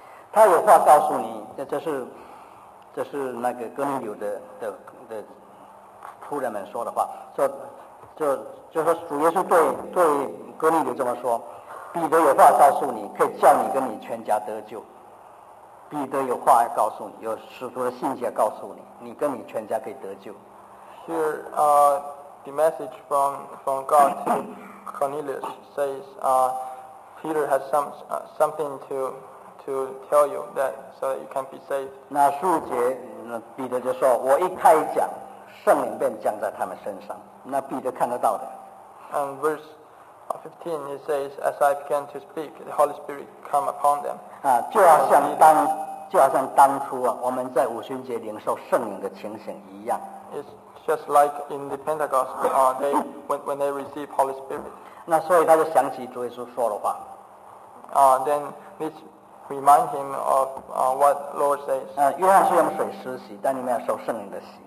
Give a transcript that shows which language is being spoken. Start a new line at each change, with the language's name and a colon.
Chinese: 他有话告诉你，这是那个哥林流的仆人们说的话。就说主耶稣对哥林流这么说：彼得有话告诉你，可以叫你跟你全家得救。彼得有话要告诉你，有使徒的信息要告诉你，你跟你全家可以得救。
English: Here, the message from God to Cornelius says, Peter has something to tell you that so that you can be saved.
Chinese: 那十五节，那彼得就说：“我一开讲，圣灵便降在他们身上。” 那彼得看得到的。
English: And verse 15, he says, "As I began to speak, the Holy Spirit come upon them."
Chinese: 啊，就好像当初啊，我们在五旬节领受圣灵的情形一样。
English: It's just like in the Pentecost, when they receive Holy Spirit.
Chinese: 那所以他就想起主耶稣说的话。
English: Then this remind him of what Lord says.
Chinese: 约翰是用水施洗，但你们要受圣灵的洗。